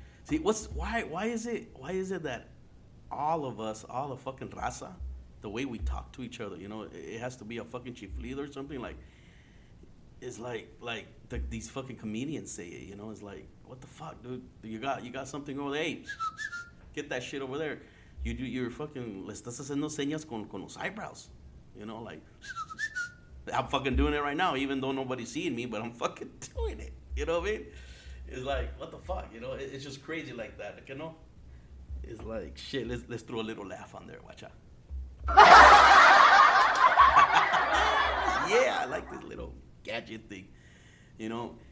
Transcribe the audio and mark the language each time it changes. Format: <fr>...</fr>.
<en>See, why is it that all of us, all the fucking raza, the way we talk to each other, you know, it has to be a fucking chiflido or something. Like, it's like the, these fucking comedians say it, you know? It's like, what the fuck, dude? You got something over there. Hey, get that shit over there. You're fucking,</en> <es>le estás haciendo señas con los eyebrows.</es> <en>You know, like, I'm fucking doing it right now, even though nobody's seeing me, but I'm fucking doing it. You know what I mean? It's like, what the fuck, you know? It's just crazy like that, you know? It's like, shit, let's throw a little laugh on there. Watch out. Yeah, I like this little gadget thing, you know?</en>